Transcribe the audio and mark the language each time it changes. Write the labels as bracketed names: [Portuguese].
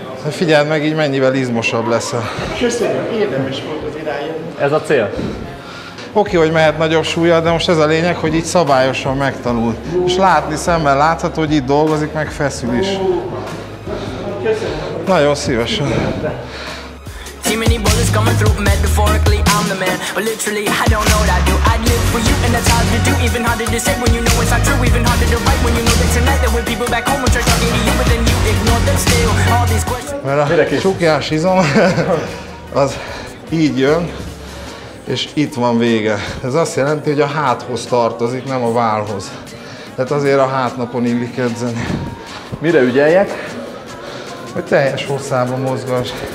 [Hungarian] Figyeld meg, így mennyivel izmosabb lesz. Köszönöm, érdemes volt az irányom. Ez a cél? Oké, hogy mehet nagyobb súlya, de most ez a lényeg, hogy így szabályosan megtanult. És látni szemmel látható, hogy itt dolgozik, meg feszül is. Köszönöm. Nagyon szívesen. [English] Too many bullets coming through, metaphorically I'm the man. But literally, I don't know what I do. I'd live for you and that's hard to do. Even harder to say when you know it's not true. Even harder to write when you know that tonight there were people back home who tried talking to you, but then you ignored them still. All these questions. [Hungarian] Mert a csukjás izom, az így jön, és itt van vége. Ez azt jelenti, hogy a háthoz tartozik, nem a vállhoz. Tehát azért a hátnapon illik edzeni. Mire ügyeljek? Hogy teljes hosszában mozgass.